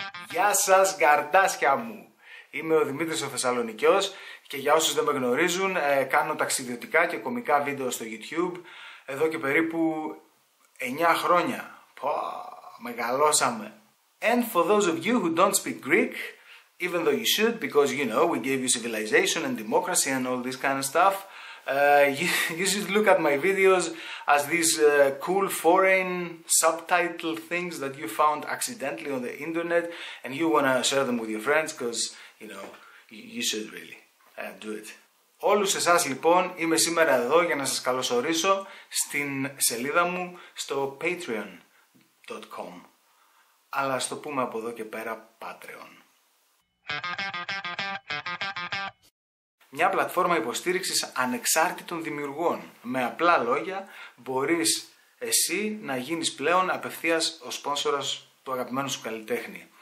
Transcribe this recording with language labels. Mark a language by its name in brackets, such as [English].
[Greek] Γεια σας γκαρντάσια μου, είμαι ο Δημήτρης ο Θεσσαλονικιός και για όσους δεν με γνωρίζουν κάνω ταξιδιωτικά και κωμικά βίντεο στο YouTube εδώ και περίπου 9 χρόνια. Πω, μεγαλώσαμε! [English] And for those of you who don't speak Greek, even though you should, because you know, we gave you civilization and democracy and all this kind of stuff, you should look at my videos as these cool foreign subtitle things that you found accidentally on the internet and you want to share them with your friends because, you know, you should really do it. [Greek] Όλους εσάς λοιπόν είμαι σήμερα εδώ για να σας καλωσορίσω στην σελίδα μου στο patreon.com, αλλά ας το πούμε από εδώ και πέρα Patreon. Μια πλατφόρμα υποστήριξης ανεξάρτητων δημιουργών. Με απλά λόγια, μπορείς εσύ να γίνεις πλέον απευθείας ο σπόνσορας του αγαπημένου σου καλλιτέχνη.